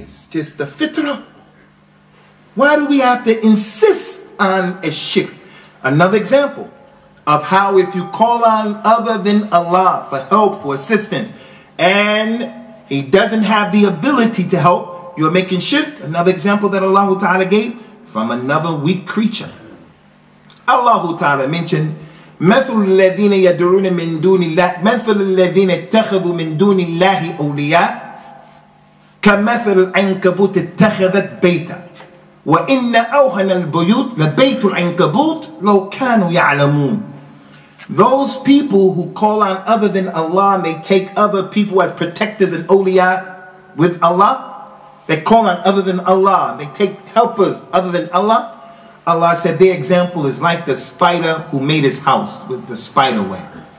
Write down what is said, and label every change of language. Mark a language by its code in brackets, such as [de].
[en] It's just the fitrah. Why do we have to insist on a shirk? Another example of how if you call on other than Allah for help, for assistance, and he doesn't have the ability to help, you're making shirk. Another example that Allah Ta'ala gave from another weak creature. [ar] Allah Ta'ala mentioned, مَثُلُ الَّذِينَ يَدْعُونَ مِن دُونِ اللَّهِ مَثُلُ الَّذِينَ اتَّخَذُوا مِن دُونِ اللَّهِ أَوْلِيَاءَ كَمَثَلُ الْعَنْكَبُوتِ اتَّخَذَتْ بَيْتًا وَإِنَّ أَوْهَنَ الْبُيُوتِ لَبَيْتُ الْعَنْكَبُوتِ لَوْ كَانُوا يَعْلَمُونَ. [en] Those people who call on other than Allah and they take other people as protectors and awliya with Allah, they call on other than Allah, they take helpers other than Allah, Allah said their example is like the spider who made his house with the spider web.